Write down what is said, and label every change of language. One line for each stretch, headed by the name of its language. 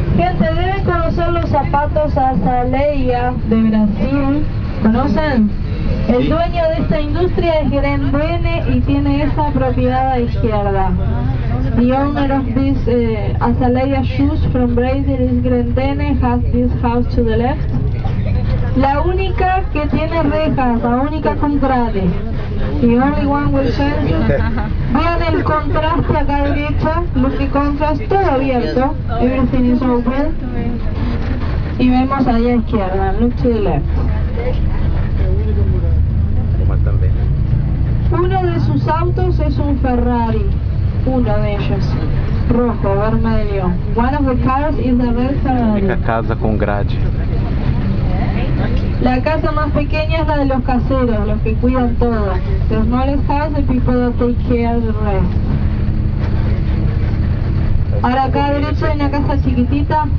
Spanish: Gente, deben conocer los zapatos Azaleia de Brasil. ¿Conocen? El dueño de esta industria es Grendene y tiene esa propiedad a izquierda.
English: The owner of this Azaleia shoes from Brazil is Grendene, has this house to the left.
Spanish: La única que tiene rejas, la única con grade.
English: The only one with fences.
Spanish: Vean el contraste acá derecha,
English: look the contrast,
Spanish: todo abierto,
English: everything is open.
Spanish: Y vemos ahí a izquierda,
English: look to the left.
Spanish: Uno de sus autos es un Ferrari, uno de ellos, rojo, vermelho.
English: One of the cars is a red Ferrari.
Spanish: Única casa con grade. La casa más pequeña es la de los caseros, los que cuidan todo.
English: The smallest house, the people that take care of the rest.
Spanish: Ahora acá a derecha hay una casa chiquitita.